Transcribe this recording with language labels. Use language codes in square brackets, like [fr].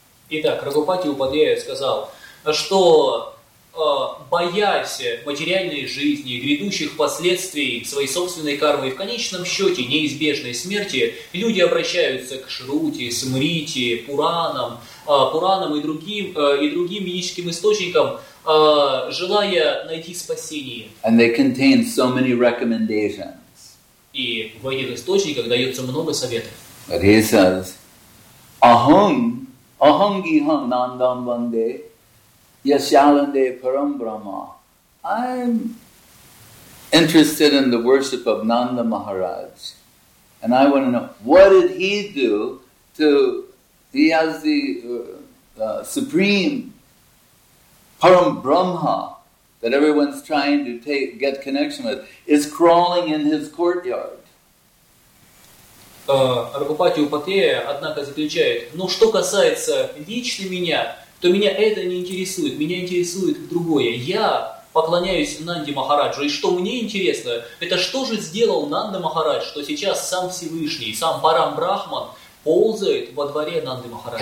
[ru] Итак, Рагхупати Упадхьяя сказал, что боясь материальной жизни, грядущих последствий своей собственной кармы и в конечном счете неизбежной смерти, люди обращаются к Шрути, Смрити, Пуранам, Пуранам и другим ведическим источникам, желая найти спасение. [en] And they contain so many recommendations. [ru] И в этих источниках дается много советов. [en] But he says, [sa] Ahang, Ahangiham Nandam Bande, Yashalande Param Brahma. [en] I'm interested in the worship of Nanda Maharaj. And I want to know, what did he do to, he has the supreme Param Brahma that everyone's trying to take get connection with, is crawling in his courtyard. [ru] Рагхупати Упадхьяя, однако, заключает, но что касается лично меня, то меня это не интересует, меня интересует другое. Я поклоняюсь Нанде Махараджу, и что мне интересно, это что же сделал Нанда Махарадж, что сейчас сам Всевышний, сам Парам Брахман ползает во дворе Нанды Махараджа.